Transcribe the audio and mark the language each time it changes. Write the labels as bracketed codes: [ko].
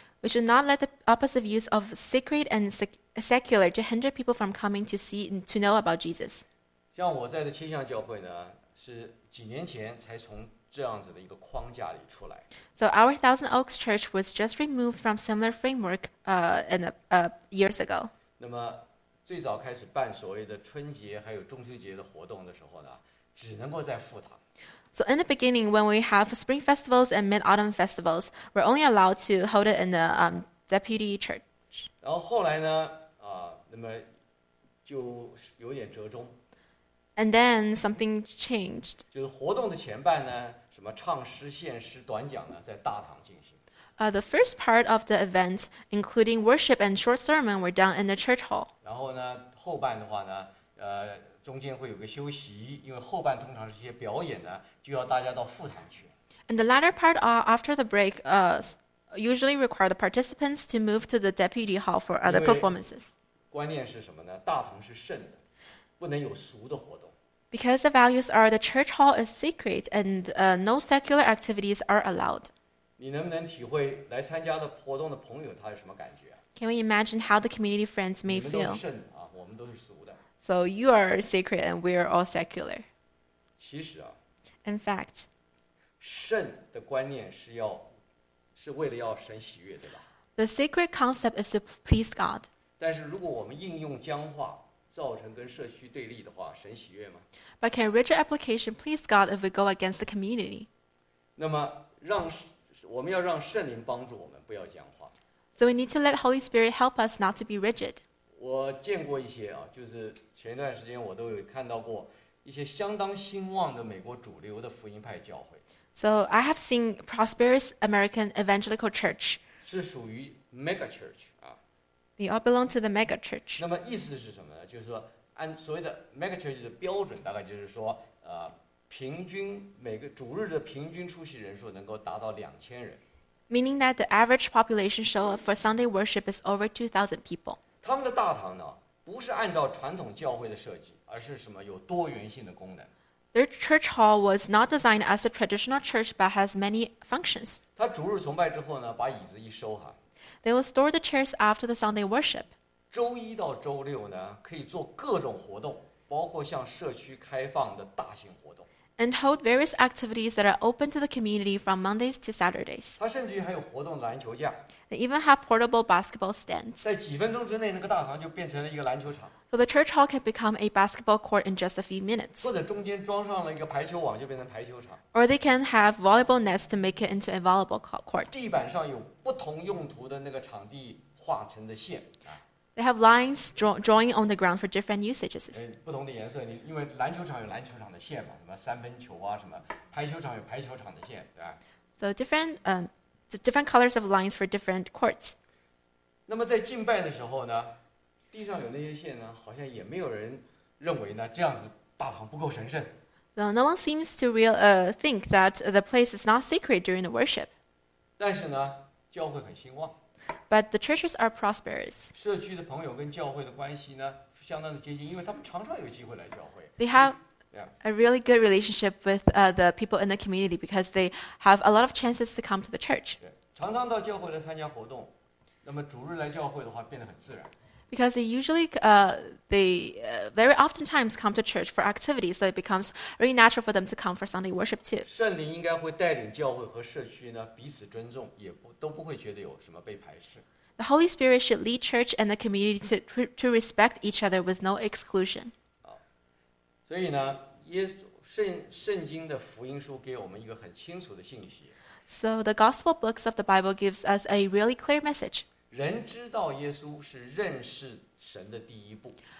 [en] We should not let the opposite views of sacred and secular to hinder people from coming to see and to know about Jesus. [zh] 像我在的倾向教会呢，是几年前才从这样子的一个框架里出来。 [en] So our Thousand Oaks Church was just removed from similar framework years ago. [zh] 那么最早开始办所谓的春节还有中秋节的活动的时候呢，只能够在副堂。 [en] So in the beginning, when we have spring festivals and mid-autumn festivals, we're only allowed to hold it in the deputy church. [zh] 然后后来呢，那么就有点折中。 [en] And then something changed. [zh] 就是活动的前半呢，什么唱诗、献诗、短讲呢，在大堂进行。 [en] The first part of the event, including worship and short sermon, were done in the church hall. [zh] 然后呢，后半的话呢，中间会有个休息，因为后半通常是些表演呢，就要大家到副堂去。 [en] And the latter part, after the break, usually require the participants to move to the deputy hall for other performances. [zh] 观念是什么呢？大堂是圣的，不能有俗的活动。 [en] Because the values are the church hall is sacred and no secular activities are allowed. [zh] 你能不能体会来参加的活动的朋友他有什么感觉啊？ [en] Can we imagine how the community friends may feel? [zh] 你们都是圣的啊，我们都是俗。 [en] So you are sacred and we are all secular. [zh] 其实啊， [en] In fact, [zh] 圣的观念是要，是为了要神喜悦，对吧？ [en] The sacred concept is to please God. [zh] 但是如果我们应用僵化，造成跟社区对立的话，神喜悦吗？ [en] But can rigid application please God if we go against the community? [zh] 那么让，我们要让圣灵帮助我们，不要僵化。 [en] So we need to let Holy Spirit help us not to be rigid. [zh] 我见过一些啊，就是前一段时间我都有看到过一些相当兴旺的美国主流的福音派教会。 [en] So I have seen prosperous American evangelical church. [zh] 是属于 mega church 啊。 [en] They all belong to the mega church. [zh] 那么意思是什么呢？就是说，按所谓的 mega church 的标准，大概就是说，平均每个主日的平均出席人数能够达到2000人。 [en] Meaning that the average population show up for Sunday worship is over 2,000 people. [zh] 他们的大堂呢，不是按照传统教会的设计，而是什么有多元性的功能。 [en] Their church hall was not designed as a traditional church, but has many functions. [zh] 他主日崇拜之后呢，把椅子一收哈。 [en] They will store the chairs after the Sunday worship. [zh] 周一到周六呢，可以做各种活动，包括向社区开放的大型活动。 [en] And hold various activities that are open to the community from Mondays to Saturdays. [zh] 他甚至于还有活动的篮球架。 [en] They even have portable basketball stands. [zh] 在几分钟之内，那个大堂就变成了一个篮球场。 [en] So the church hall can become a basketball court in just a few minutes. [zh] 或者中间装上了一个排球网，就变成排球场。 [en] Or they can have volleyball nets to make it into a volleyball court. [zh] 地板上有不同用途的那个场地画成的线。 [en] They have lines drawing on the ground for different usages. [zh] 不同的颜色，因为篮球场有篮球场的线嘛，什么三分球啊，什么排球场有排球场的线，对吧 [en] ？So different colors of lines for different courts. [zh] 那么在敬拜的时候呢，地上有那些线呢，好像也没有人认为呢，这样子大堂不够神圣。 [en] So no one seems to think that the place is not sacred during the worship. [zh] 但是呢，教会很兴旺。 [en] But the churches are prosperous. [zh] 社区的朋友跟教会的关系呢，相当的接近，因为他们常常有机会来教会。 [en] They have a really good relationship with the people in the community because they have a lot of chances to come to the church. [zh] 常常到教会来参加活动，那么主日来教会的话变得很自然。 [en] Because they usually very oftentimes come to church for activities, so it becomes really natural for them to come for Sunday worship too. [zh] 圣灵应该会带领教会和社区呢彼此尊重，也不都不会觉得有什么被排斥。 [en] The Holy Spirit should lead church and the community to respect each other with no exclusion. [zh] 所以呢，耶稣圣经的福音书给我们一个很清楚的信息。 [en] So the gospel books of the Bible gives us a really clear message. [zh] 人知道耶稣是认识神的第一步。